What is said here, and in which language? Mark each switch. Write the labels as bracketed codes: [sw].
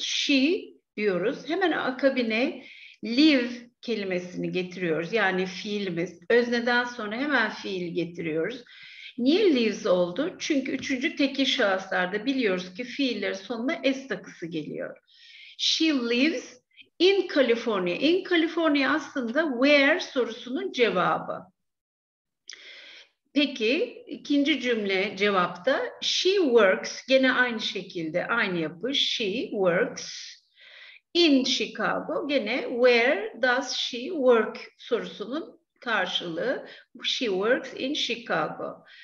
[tr] She diyoruz. Hemen akabine live kelimesini getiriyoruz. Yani fiilimiz. Özneden sonra hemen fiil getiriyoruz. Niye lives oldu? Çünkü üçüncü tekil şahıslarda biliyoruz ki fiillerin sonuna s takısı geliyor. [en] She lives in California. In California [tr] aslında where sorusunun cevabı. Peki ikinci cümle cevapta she works, gene aynı şekilde aynı yapı, [en] she works in Chicago, [tr] gene [en] where does she work [tr] sorusunun karşılığı, she works in Chicago.